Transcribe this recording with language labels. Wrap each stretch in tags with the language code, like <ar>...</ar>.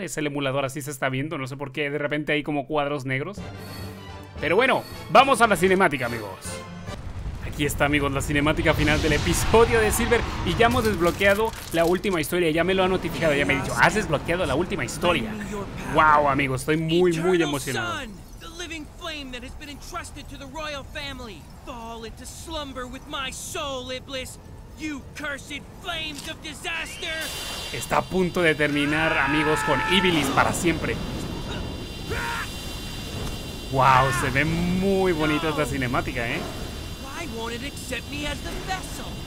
<es>Es el emulador, así se está viendo. No sé por qué de repente hay como cuadros negros. Pero bueno, vamos a la cinemática, amigos. Aquí está, amigos, la cinemática final del episodio de Silver. Y ya hemos desbloqueado la última historia. Ya me lo ha notificado, ya me ha dicho: has desbloqueado la última historia. ¡Wow, amigos! Estoy muy, muy emocionado.</es> <en>That has been entrusted to the royal family. Fall into slumber with my soul, Iblis. You cursed flames of disaster.</en> <es>Está a punto de terminar, amigos, con Iblis para siempre. Wow, se ve muy bonita esta cinemática, ¿eh?</es> <en>Why won't it accept me as the vessel?</en>